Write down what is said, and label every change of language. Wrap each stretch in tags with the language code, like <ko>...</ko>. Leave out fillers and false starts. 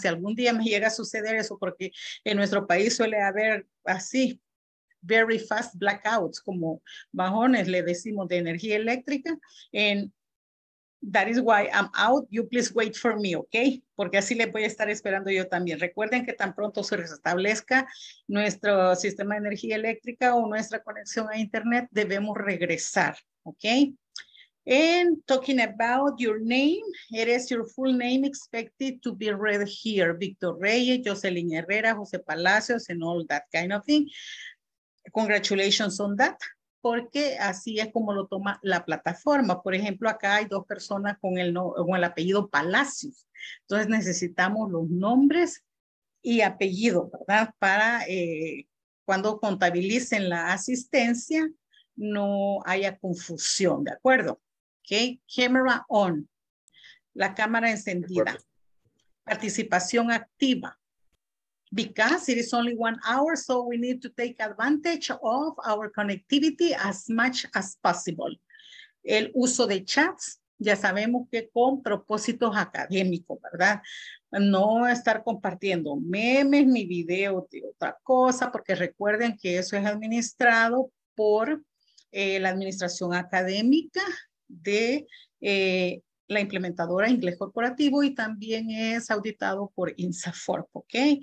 <es>Si algún día me llega a suceder eso, porque en nuestro país suele haber así,</es> <en>very fast blackouts,</en> <es>como bajones, le decimos, de energía eléctrica.</es> <en>And that is why I'm out. You please wait for me, okay?</en> <es>Porque así le voy a estar esperando yo también. Recuerden que tan pronto se restablezca nuestro sistema de energía eléctrica o nuestra conexión a internet, debemos regresar, okay?</es> <en>And talking about your name, it is your full name expected to be read here. Victor Reyes, Jocelyn Herrera, Jose Palacios, and all that kind of thing. Congratulations on that.</en> <es>Porque así es como lo toma la plataforma. Por ejemplo, acá hay dos personas con el, con el apellido Palacios. Entonces necesitamos los nombres y apellido, ¿verdad? Para cuando contabilicen la asistencia, no haya confusión, ¿de acuerdo? Okay,</es> <en>camera on,</en> <es>la cámara encendida, participación activa.</es> <en>Because it is only 1 hour, so we need to take advantage of our connectivity as much as possible.</en> <es>El uso de chats, ya sabemos que con propósitos académicos, ¿verdad? No estar compartiendo memes ni videos de otra cosa, porque recuerden que eso es administrado por la administración académica de la implementadora Inglés Corporativo y también es auditado por INSAFORP, ¿ok?</es>